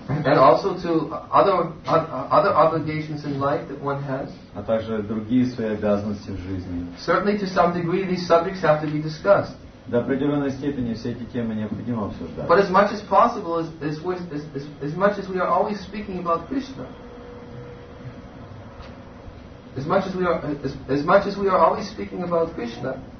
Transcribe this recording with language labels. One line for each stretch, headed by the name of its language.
English: And also to other obligations in life that one has.
Russian: А также другие свои обязанности в жизни.
English: Certainly, to some degree, these subjects have to be discussed.
Russian: До определенной степени все эти темы необходимо обсуждать.
English: But as much as possible, as much as we are always speaking about Krishna. As much as we are always speaking about Krishna.